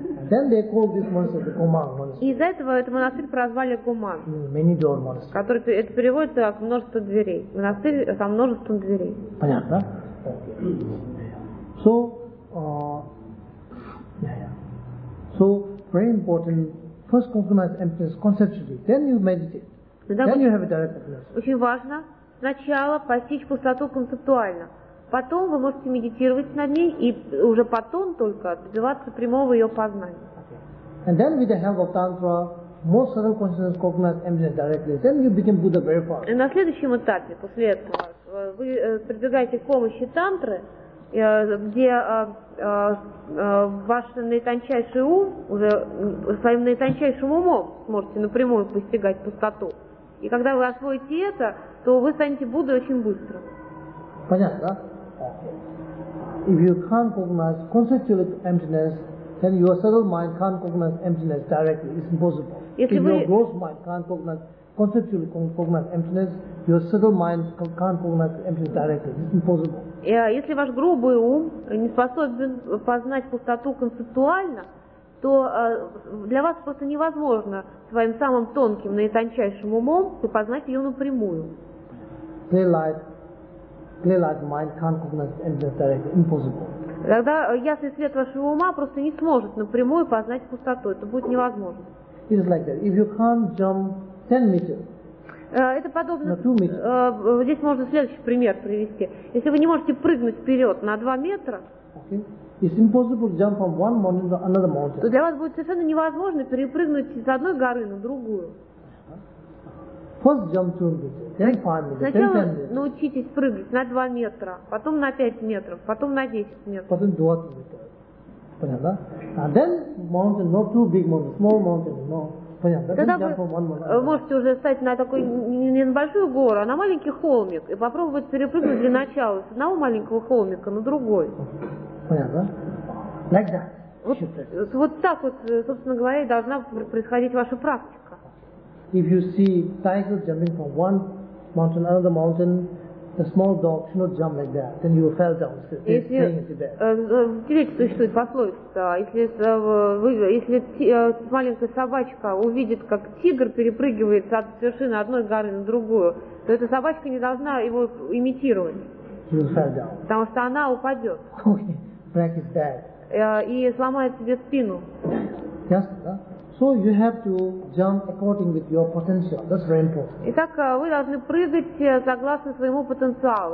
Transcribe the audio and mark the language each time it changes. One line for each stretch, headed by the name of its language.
English: Then they call this monastery the Guman monastery.
Russian: И из-за этого этот монастырь прозвали Гуман.
English: Many door monastery.
Russian: Который это переводится как множество дверей. Монастырь со множеством дверей. Понятно?
English: Okay. So, So very important. First compromise emptiness conceptually. Then you meditate. Then you have a direct awareness.
Russian: Очень важно сначала постичь пустоту концептуально. Потом вы можете медитировать над ней и уже потом только добиваться прямого ее познания.
English: And then with the help of Tantra, more subtle consciousness cognizes emptiness directly. Then you become Buddha very fast.
Russian: На следующем этапе, после этого, вы прибегаете к помощи Тантры, где ваш наитончайший ум, уже своим наитончайшим умом сможете напрямую постигать пустоту. И когда вы освоите это, то вы станете Буддой очень быстро. Понятно, да?
English: If you can't cognize conceptual emptiness, then your subtle mind can't cognize emptiness directly. It's impossible. If your gross mind can't conceptually cognize emptiness, your subtle mind can't cognize emptiness directly. It's impossible.
Russian: Если ваш грубый ум не способен познать пустоту концептуально, то для вас просто невозможно своим самым тонким, наитончайшим умом познать ее напрямую.
English: Clear-light mind can't cognize emptiness directly. Impossible.
Russian: Тогда ясный свет вашего ума просто не сможет напрямую познать пустоту. Это будет невозможно.
English: It is like that. If you can't jump 10 meters,
Russian: это подобно... здесь можно следующий пример привести. Если вы не можете прыгнуть вперед на 2 метра,
English: okay. It's impossible to jump from one mountain to another mountain.
Russian: То для вас будет совершенно невозможно перепрыгнуть с одной горы на другую.
English: First jump 2 meters, then 5 meters,
Russian: сначала
English: then 10 meters.
Russian: Научитесь прыгать на 2 метра, потом на 5 метров, потом на 10 метров. Потом 20 метров. Понятно?
English: And then mountain, not too big mountain, small mountain, no.
Russian: Понятно? Вы можете уже встать на такой не на большую гору, а на маленький холмик и попробовать перепрыгнуть для начала с одного маленького холмика на другой. Понятно?
English: Like that.
Russian: Вот так вот, собственно говоря, и должна происходить ваша практика.
English: If you see tigers jumping from one mountain to another mountain, the small dog should not jump like that. Then you will fall down.
Russian: Видите, существует пословица: если маленькая собачка увидит, как тигр перепрыгивает с вершины одной горы на другую, то эта собачка не должна его имитировать.
English: You will fall down.
Russian: Потому что она упадет.
English: Break his back.
Russian: И сломает себе спину. Ясно, да?
English: So you have to jump according with your potential. That's very important.
Russian: Итак, вы должны прыгать согласно своему потенциалу.